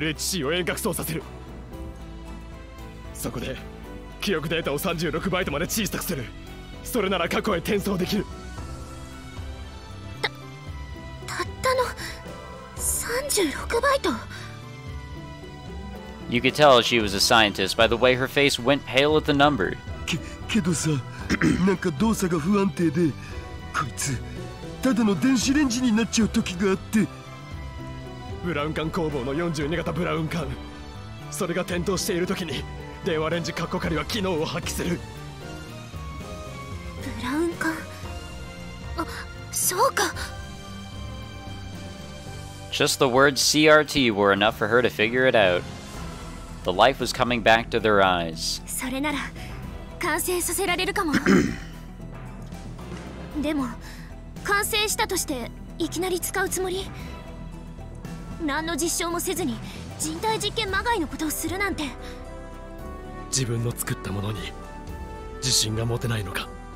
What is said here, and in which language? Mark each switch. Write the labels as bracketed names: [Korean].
[English] You could tell she was a scientist by the way her face went pale at the number. [Japanese] けどさ、なんか動作が不安定で、こいつただの電子レンジになっちゃう時があって。ブラウン管工房の42型ブラウン管、それが点灯している時に電話レンジカッコカリは機能を発揮する。ブラウン管、そうか。 [English] Just the word CRT were enough for her to figure it out. The life was coming back to their eyes. [Japanese] それなら完成させられるかも。でも完成したとしていきなり使うつもり？何の実証もせずに人体実験まがいのことをするなんて。自分の作ったものに自信が持てないのか？